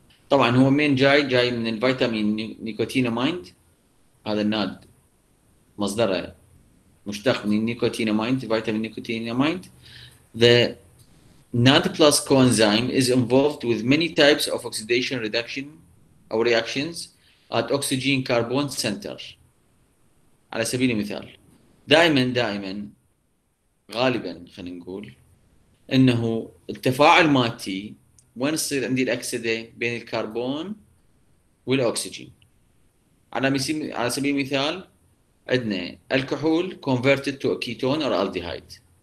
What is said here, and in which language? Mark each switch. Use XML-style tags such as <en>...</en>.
<ar>طبعا هو مين جاي؟ جاي من الفيتامين نيكوتينامايد هذا الناد مصدره مشتق من النيكوتينامايد فيتامين نيكوتينامايد.</ar> <en>The NAD plus coenzyme is involved with many types of oxidation reduction or reactions at oxygen carbon center.</en> <ar>على سبيل المثال دائما غالبا خلينا نقول انه التفاعل مالتي وين يصير عندي الأكسدة بين الكربون والأكسجين. على سبيل المثال عندنا الكحول converted to a ketone or aldehyde.</ar>